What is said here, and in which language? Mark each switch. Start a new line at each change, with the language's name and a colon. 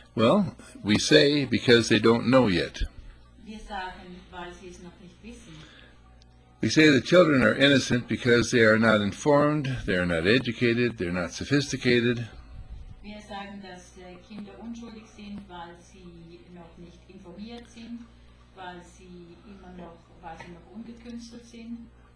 English: Well, we say because they don't know yet.
German: Wir sagen, weil sie es noch nicht wissen.
English: We say the children are innocent because they are not informed, they are not educated, they are not sophisticated.
German: Wir sagen, dass Kinder unschuldig sind, weil sie noch nicht informiert sind, weil sie noch ungekünstelt sind.